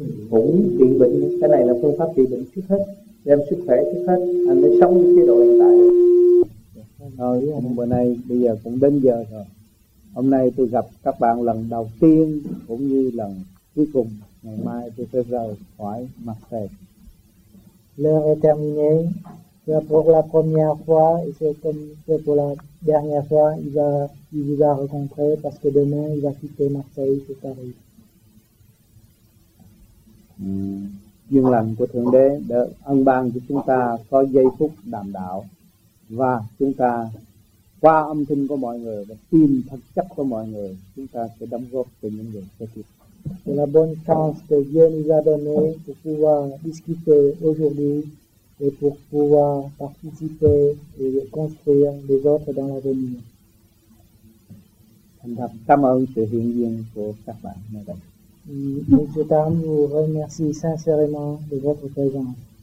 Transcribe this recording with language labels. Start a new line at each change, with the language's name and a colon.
Vietnamese: Cũng trị bệnh, cái này là phương pháp trị bệnh trước hết, đem sức khỏe trước hết, anh mới sống chế độ hiện tại. Thôi, hôm bữa nay bây giờ cũng đến giờ rồi. Hôm nay tôi gặp các bạn lần đầu tiên cũng như lần cuối cùng. Ngày mai tôi sẽ rời khỏi mặt trời.
French: L'heure est terminée. C'est pour la première fois et c'est pour la dernière fois il vous a rencontré parce que demain il va quitter Marseille pour Paris.
Vietnamese: Duyên lành của Thượng Đế đã ân ban cho chúng ta có giây phút đàm đạo và chúng ta qua âm thanh của mọi người và tin thật chất của mọi người, chúng ta sẽ đóng góp cho những người kế tiếp.
French: C'est la bonne chance que Dieu nous a donnée pour pouvoir discuter aujourd'hui et pour pouvoir participer et construire les autres dans l'avenir.
Vietnamese: Cảm ơn sự hiện diện của các bạn.
French: Monsieur Tam, vous remercie sincèrement de votre présence.